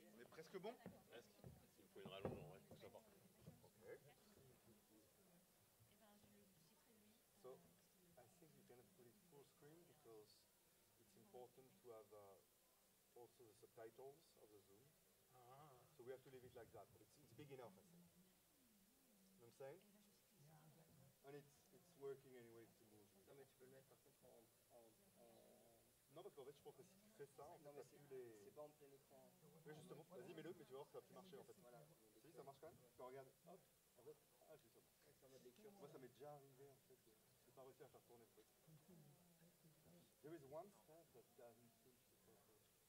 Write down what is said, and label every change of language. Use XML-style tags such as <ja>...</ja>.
<fr>presque bon. Presque. Il faut une rallonge, ouais, tout ça part. Ok.</fr> <en>So, I think you're gonna put it full screen because it's important to have also the subtitles of the Zoom. Ah. So we have to leave it like that, but it's big enough, I think. You know what I'm saying? Yeah. And it's working anyway to move.</en> <fr>Non, mais tu peux le mettre par contre en. Non, parce qu'en fait, je crois que si tu fais ça, non, mais c'est pas en plein écran. Oui, justement, vas-y, mets-le, mais tu vas voir que ça va plus marcher en fait. Voilà. Si, ça marche quand même. Tu regardes. Hop. En fait, ah, je suis sûr. Lecture, moi, ça m'est déjà arrivé en fait. Je n'ai pas réussi à faire tourner le truc.</fr> <en>There is one step that doesn't seem to be perfect.</en>